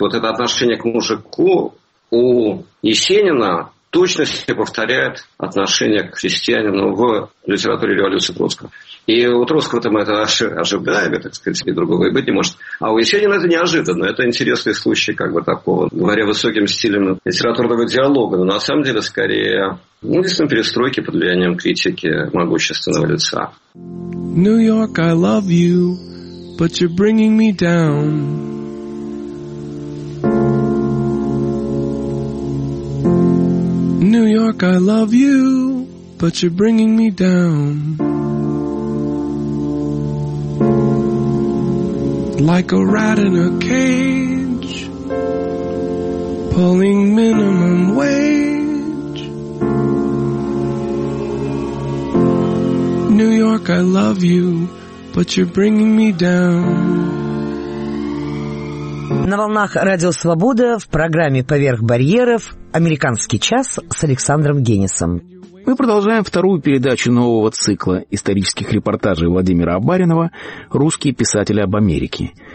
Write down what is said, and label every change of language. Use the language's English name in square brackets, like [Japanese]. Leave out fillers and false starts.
[Russian] Вот это отношение к мужику у Есенина точно себе повторяет отношение к христианину в литературе революции Троцкого. И у Троцкого-то мы это ожидаем, так сказать, и другого и быть не может. А у Есенина это неожиданно. Это интересный случай, как бы такого, говоря высоким стилем литературного диалога. Но на самом деле, скорее, ну, действительно, перестройки под влиянием критики могущественного лица. [English] Нью-Йорк, I love you, but you're bringing me down. New York, I love you, but you're bringing me down. Like a rat in a cage, pulling minimum wage. New York, I love you, but you're bringing me down. [Russian] На волнах Радио Свобода в программе «Поверх барьеров» «Американский час» с Александром Генисом. Мы продолжаем вторую передачу нового цикла исторических репортажей Владимира Абаринова «Русские писатели об Америке».